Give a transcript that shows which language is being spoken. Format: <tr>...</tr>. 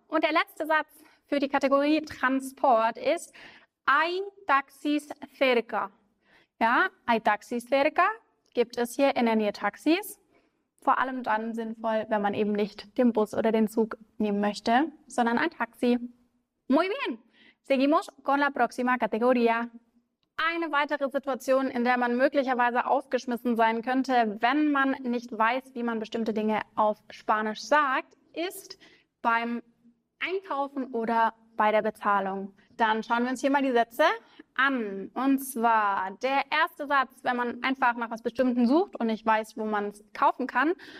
<de>Und der letzte Satz für die Kategorie Transport ist:</de> <es>Hay taxis cerca.</es> <de>Ja,</de> <es>hay taxis cerca.</es> <de>Gibt es hier in der Nähe Taxis? Vor allem dann sinnvoll, wenn man eben nicht den Bus oder den Zug nehmen möchte, sondern ein Taxi.</de> <es>Muy bien, seguimos con la próxima categoría.</es> <de>Eine weitere Situation, in der man möglicherweise aufgeschmissen sein könnte, wenn man nicht weiß, wie man bestimmte Dinge auf Spanisch sagt, ist beim Einkaufen oder bei der Bezahlung. Dann schauen wir uns hier mal die Sätze an. Und zwar der erste Satz, wenn man einfach nach was Bestimmten sucht und nicht weiß, wo man es kaufen kann.</de>